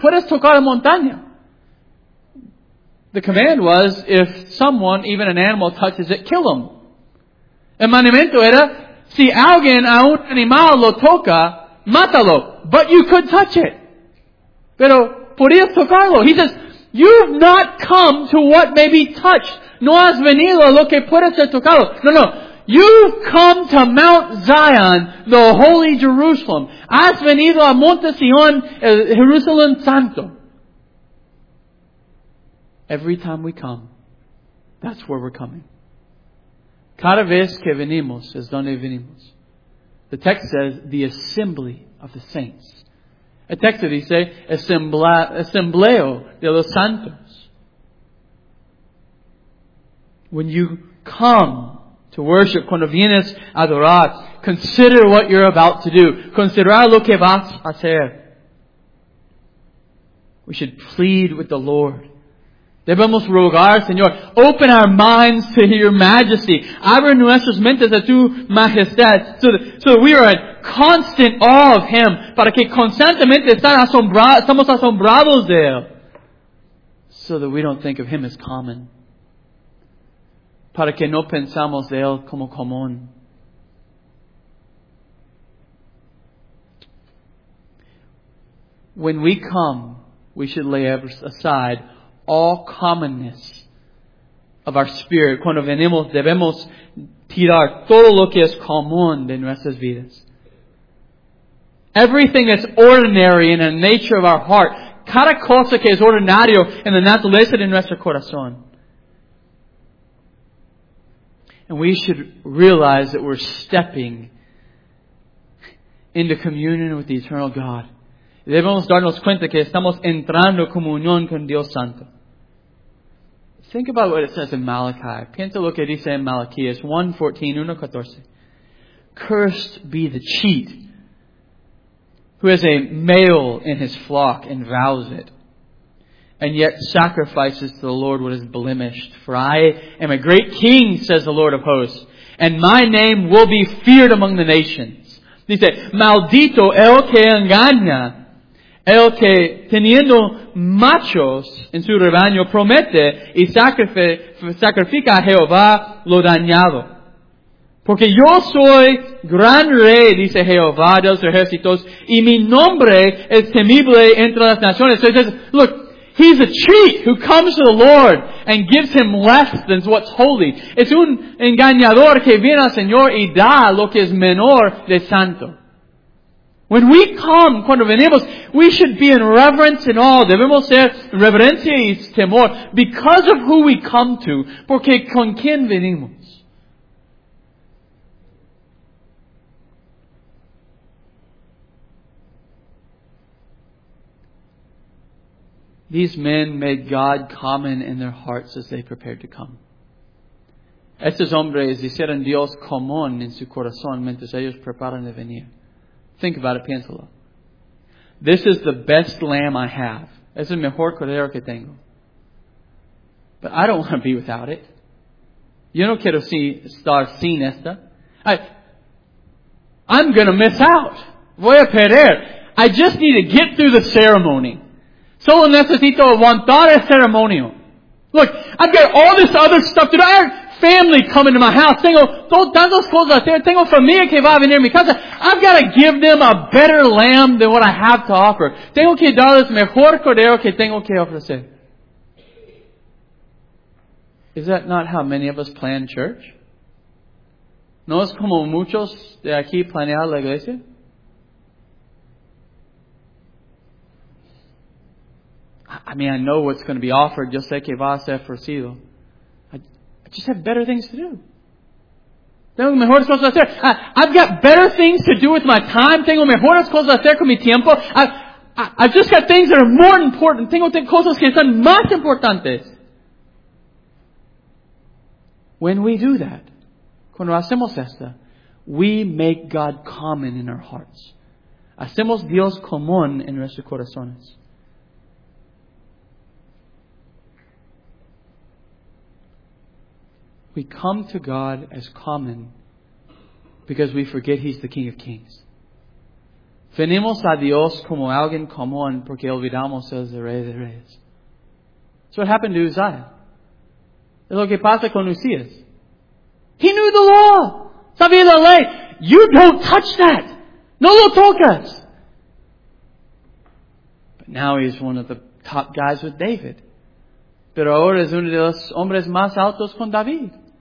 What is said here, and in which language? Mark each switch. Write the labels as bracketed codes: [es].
[es] Puedes tocar la montaña. [en] The command was, if someone, even an animal, touches it, kill them. [es] El mandamiento era, si alguien a un animal lo toca, mátalo. [en] But you could touch it. [es] Pero podías tocarlo. [en] He says, you've not come to what may be touched. [es] No has venido lo que puede ser tocado. No, no. [en] You've come to Mount Zion, the Holy Jerusalem. [es] Has venido a Monte Sion, Jerusalem Santo. [en] Every time we come, That's where we're coming. [es] Cada vez que venimos es donde venimos. [en] The text says the assembly of the saints. [es] El texto dice asambleo de los santos. [en] When you come to worship, [es] cuando vienes a adorar, [en] consider what you're about to do. [es] Considerar lo que vas a hacer. [en] We should plead with the Lord. [es] Debemos rogar, Señor. [en] Open our minds to your majesty. [es] Abre nuestras mentes a tu majestad. [en] So that we are in constant awe of Him. [es] Para que constantemente estamos asombrados de Él. [en] So that we don't think of Him as common. [es] Para que no pensamos de Él como común. [en] When we come, we should lay aside all commonness of our spirit. [es] Cuando venimos, debemos tirar todo lo que es común de nuestras vidas. [en] Everything that's ordinary in the nature of our heart, [es] cada cosa que es ordinario en la naturaleza de nuestro corazón. [en] And we should realize that we're stepping into communion with the eternal God. [es] Debemos darnos cuenta que estamos entrando en comunión con Dios Santo. [en] Think about what it says in Malachi. [es] Piensa lo que dice en Malaquías 1:14. [en] Cursed be the cheat who has a male in his flock and vows it, and yet sacrifices to the Lord what is blemished. For I am a great king, says the Lord of hosts, and my name will be feared among the nations. [es] Dice, maldito el que engaña. El que teniendo machos en su rebaño promete y sacrifica a Jehová lo dañado. Porque yo soy gran rey, dice Jehová de los ejércitos, y mi nombre es temible entre las naciones. [en] So he says, look, he's a cheat who comes to the Lord and gives him less than what's holy. [es] Es un engañador que viene al Señor y da lo que es menor de santo. [en] When we come, [es] cuando venimos, [en] we should be in reverence and awe. [es] Debemos ser reverencia y temor [en] because of who we come to. [es] Porque con quien venimos. [en] These men made God common in their hearts as they prepared to come. [es] Estos hombres hicieron Dios común en su corazón mientras ellos preparan de venir. [en] Think about it, [es] piénsalo. [en] This is the best lamb I have. [es] Es el mejor cordero que tengo. [en] But I don't want to be without it. [es] Yo no quiero estar sin esta. [en] I'm going to miss out. [es] Voy a perder. [en] I just need to get through the ceremony. [es] Solo necesito aguantar el ceremonio. [en] Look, I've got all this other stuff to do. I have family coming to my house. [es] Tengo tantas cosas hacer. Tengo familia que va a venir a mi casa. [en] I've got to give them a better lamb than what I have to offer. [es] Tengo que darles mejor cordero que tengo que ofrecer. [en] Is that not how many of us plan church? [es] ¿No es como muchos de aquí planear la iglesia? [en] I mean, I know what's going to be offered. [es] Yo sé que va a ser ofrecido. [en] I just have better things to do. [es] Tengo mejores cosas a hacer. [en] I've got better things to do with my time. [es] Tengo mejores cosas a hacer con mi tiempo. [en] I've just got things that are more important. [es] Tengo cosas que son más importantes. [en] When we do that, [es] cuando hacemos esta, [en] we make God common in our hearts. [es] Hacemos Dios común en nuestros corazones. [en] We come to God as common because we forget He's the King of Kings. [es] Venimos a Dios como alguien común porque olvidamos que es el Rey de Reyes. [en] That's what happened to Uzziah. [es] Es lo que pasa con Uzías. [en] He knew the law. [es] Sabía la ley. [en] You don't touch that. [es] No lo tocas. [en] But now he's one of the top guys with David. [es] Pero ahora es uno de los hombres más altos con David.